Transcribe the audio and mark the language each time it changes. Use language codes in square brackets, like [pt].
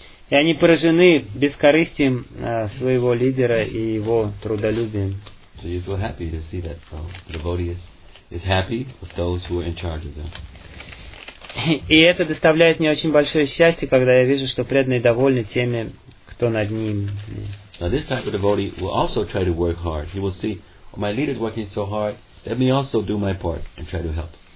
[ru] И они поражены бескорыстием своего лидера и его трудолюбием. [en] So you feel happy to see that the devotee is happy with those who are in charge of them. [ru] И это доставляет мне очень большое счастье, когда я вижу, что преданные довольны теми, кто над ним. [en] Now this type of devotee will also try to work hard. He will see, oh, my leader is working so hard, let me also do my part and try to help.